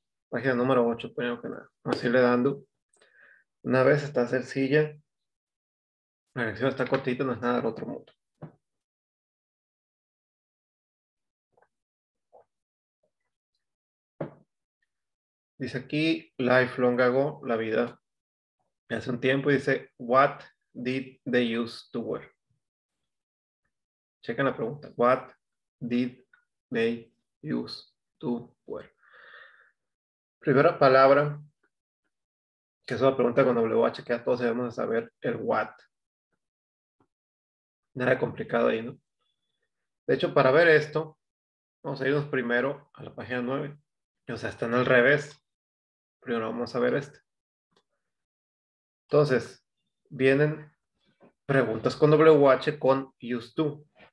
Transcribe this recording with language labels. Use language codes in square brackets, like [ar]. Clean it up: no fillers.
[es] Página número 8, primero que nada. Vamos a irle dando. Una vez está sencilla, la lección está cortita, no es nada del otro mundo. Dice aquí, [en] life long ago, [es] la vida. Hace un tiempo y dice, [en] what did they used to wear? [es] Checa la pregunta, [en] what did they used to wear? [es] Primera palabra. Que es una pregunta cuando le voy a chequear, todos debemos de saber el what. Nada complicado ahí, ¿no? De hecho, para ver esto, vamos a irnos primero a la página 9. O sea, están al revés. Primero vamos a ver este. Entonces, vienen preguntas con WH con used to.